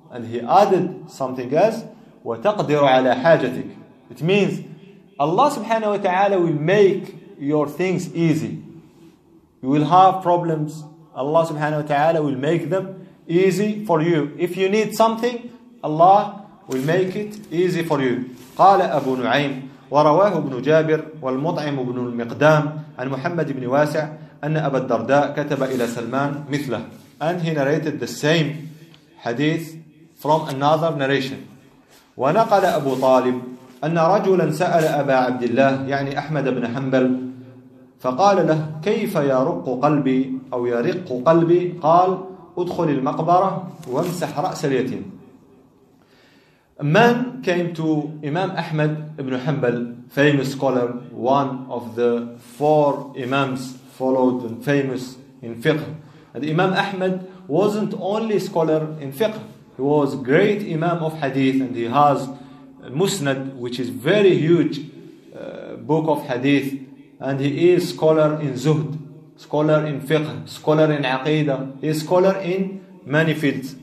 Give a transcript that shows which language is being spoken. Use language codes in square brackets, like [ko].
[en] And he added something else, [ar] وَتَقْدِرُ عَلَى حَاجَتِكَ. [en] It means Allah subhanahu wa ta'ala will make your things easy. You will have problems, Allah subhanahu wa ta'ala will make them easy for you. If you need something, Allah will make it easy for you. [ar] قال أبو نعيم ورواه ابن جابر والمطعم ابن المقدام عن محمد بن واسع أن أبا الدرداء كتب إلى سلمان مثله. [en] And he narrated the same hadith from another narration. [ar] ونقل أبو طالب أن رجلا سأل أبا عبد الله يعني أحمد بن حنبل فقال له كيف يرق قلبي أو يرق قلبي, قال ادخل المقبرة وامسح رأس اليتيم. [en] A man came to Imam Ahmad ibn Hanbal, famous scholar, one of the 4 Imams followed and famous in fiqh. And Imam Ahmad wasn't only scholar in fiqh, he was great Imam of Hadith, and he has Musnad, which is very huge book of Hadith, and he is scholar in Zuhd, scholar in fiqh, scholar in Aqidah, he is scholar in many fields.